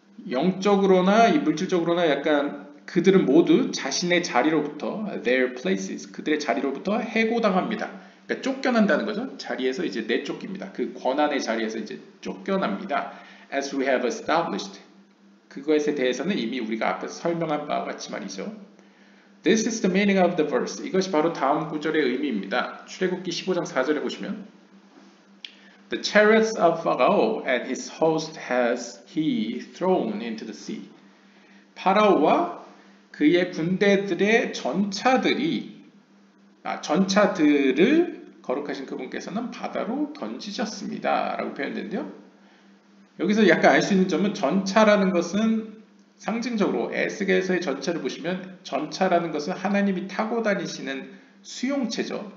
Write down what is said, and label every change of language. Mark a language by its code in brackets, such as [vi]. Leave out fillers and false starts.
[ko] 영적으로나 물질적으로나 약간 그들은 모두 자신의 자리로부터 [en] their places, [ko] 그들의 자리로부터 해고당합니다. 그러니까 쫓겨난다는 거죠. 자리에서 이제 내쫓깁니다. 그 권한의 자리에서 이제 쫓겨납니다. [en] As we have established. [ko] 그것에 대해서는 이미 우리가 앞에서 설명한 바와 같이 말이죠. [en] This is the meaning of the verse. [ko] 이것이 바로 다음 구절의 의미입니다. 출애굽기 15장 4절에 보시면 [en] The chariots of Pharaoh and his host has he thrown into the sea. [ko] 파라오와 그의 군대들의 전차들을 거룩하신 그분께서는 바다로 던지셨습니다. 라고 표현된대요. 여기서 약간 알 수 있는 점은 전차라는 것은 상징적으로 에스겔서의 전차를 보시면 전차라는 것은 하나님이 타고 다니시는 수용체죠.